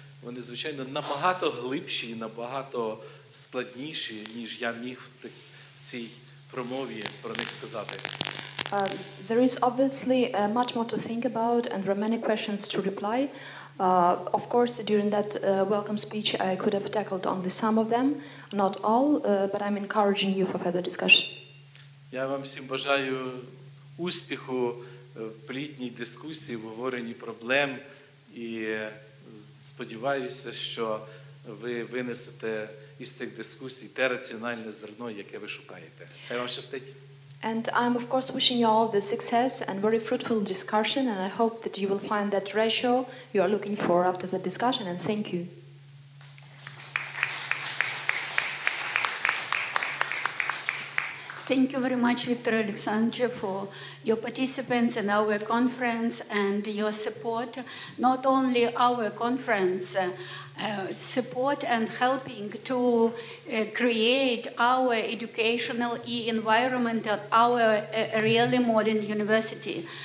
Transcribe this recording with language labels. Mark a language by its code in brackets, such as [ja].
[uk] Вони, звичайно, набагато глибші і набагато складніші, ніж я міг в цій промові про них сказати. [en] There is obviously much more to think about, and there are many questions to reply. Of course, during that welcome speech, I could have tackled only some of them, not all, but I'm encouraging you for further discussion. [uk] Я вам всім бажаю успіху в плідній дискусії, в обговоренні проблем, і сподіваюся, що ви винесете із цих дискусій те раціональне зерно, яке ви шукаєте. Хай вам щастить! [en] And I'm of course wishing you all the success and very fruitful discussion, and I hope that you will find that ratio you are looking for after the discussion, and thank you. Thank you very much, Victor Alexandrovich, for your participants in our conference and your support, not only our conference, support and helping to create our educational environment at our really modern university.